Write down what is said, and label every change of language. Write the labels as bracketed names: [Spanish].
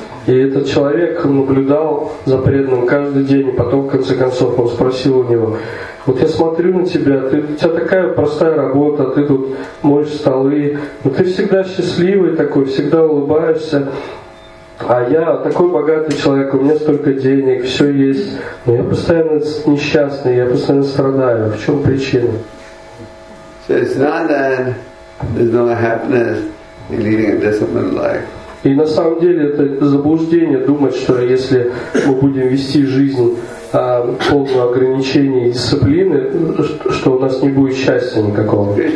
[Russian] И этот человек наблюдал за преданным каждый день, и потом, в конце концов, он спросил у него: «Вот я смотрю на тебя, у тебя такая простая работа, ты тут моешь столы, но ты всегда счастливый такой, всегда улыбаешься, а я такой богатый человек, у меня столько денег, все есть, но я постоянно несчастный, я постоянно страдаю. В чем причина?» [English] So it's not that there's no happiness in leading a disciplined life. [Russian] И на самом деле это заблуждение думать, что если мы будем вести жизнь полную ограничений и дисциплины, что у нас не будет счастья никакого.